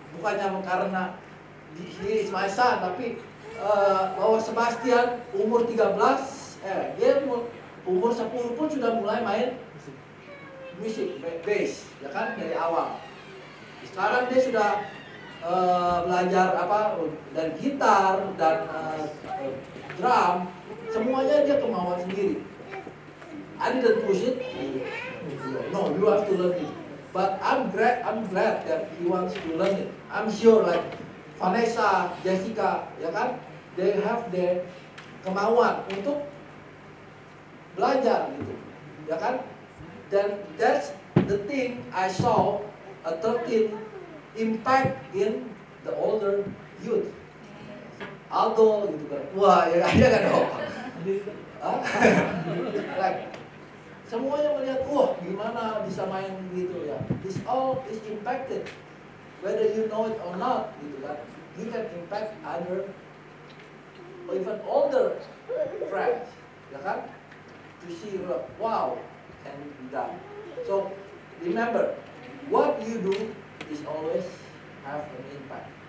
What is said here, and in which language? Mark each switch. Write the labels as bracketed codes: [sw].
[id] Bukannya karena [en] he is my son, [id] tapi bahwa Sebastian umur 13, dia umur 10 pun sudah mulai main musik, bass, ya kan, dari awal. Sekarang dia sudah belajar dan gitar dan drum, semuanya dia kemauan sendiri. [en] I didn't push it. No, you have to learn it. But I'm glad that he wants to learn it. I'm sure like [id] Vanessa, Jessica, ya kan, [en] they have their [id] kemauan untuk belajar gitu, ya kan? [en] Then that's the thing I saw a 13 impact in the older youth. [id] Aldo gitu kan. Wah, ya ada kan dong. Like semuanya melihat, wah gimana bisa main gitu ya. [en] This all is impacted whether you know it or not [id] gitu kan. [en] You can impact other or even older friends, [id] ya kan? [en] To see wow. Can be done. So remember, what you do is always have an impact.